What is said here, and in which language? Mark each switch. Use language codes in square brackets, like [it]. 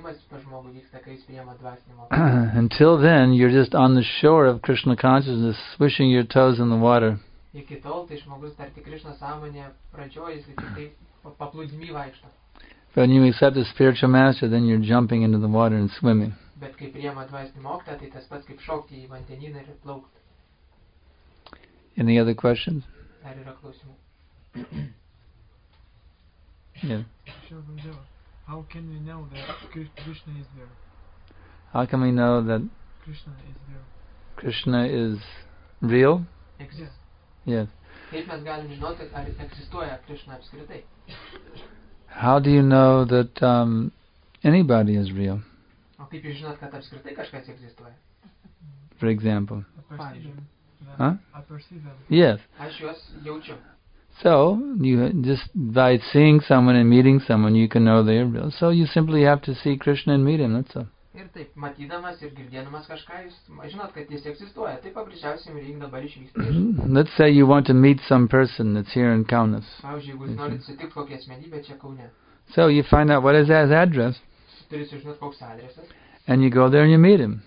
[en] Until then, you're just on the shore of Krishna consciousness, swishing your toes in the water. But when you accept a spiritual master, then you're jumping into the water and swimming. [lt] Bet kai priema dvasinį mokytą, tai tas pats kaip šokti į vandenyną ir plaukti. [en] Any other questions? [lt] Ar yra klausimų? [en] Yeah. How can we know that Krishna is there? How can we know that Krishna is there? Krishna is real? Exists. Yes. [lt] Kaip mes galim žinoti, ar egzistuoja Krishna apskritai? [en] How do you know that Anybody is real. [lt] O kaip jūs žinot, kad apskritai kažkas egzistuoja? [en] For example. Huh? Yes. [lt] Aš juos jaučiu. [en] So, you just by seeing someone and meeting someone, you can know they're real. So, you simply have to see Krishna and meet him, that's all. [lt] Ir taip, matydamas ir girdėdamas kažką, jūs žinot, kad jis egzistuoja. Taip, paprasčiausiai, jums reikia dabar išvykti. [en] Let's say you want to meet some person that's here in Kaunas. [lt] Pavyzdžiui, jeigu jūs norite sutikti kokią asmenybę čia Kaune. [en] So, you find out what is his address. [lt] Turite sužinoti, koks adresas. [en] And you go there and you meet him.